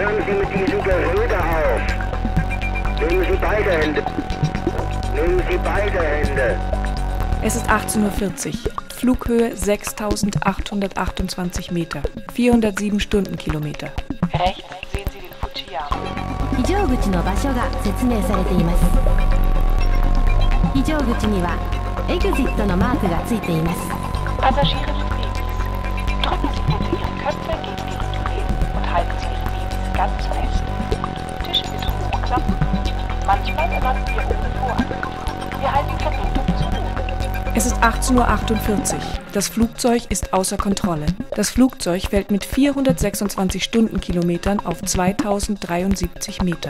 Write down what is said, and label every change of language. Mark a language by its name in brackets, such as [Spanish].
[German] Hören Sie mit diesem Gerede auf. Nehmen Sie beide Hände. Nehmen Sie beide Hände. Es ist 18.40 Uhr, Flughöhe 6828 Meter, 407 Stundenkilometer. Rechts sehen Sie den Fujiyama. [Japanese] 非常口の場所が説明されています。非常口にはエグジットのマークがついています。 [German] Passagiere des Fliegers, drücken Sie bitte Ihre Köpfe gegen die Rückenlehne und halten Sie Ihre Fliegers ganz fest. Tische bitte hochklappen. Manchmal erwarten wir ohne Vorankunft. Wir halten die Verbindung. Es ist 18.48 Uhr. Das Flugzeug ist außer Kontrolle. Das Flugzeug fällt mit 426 Stundenkilometern auf 2073 Meter.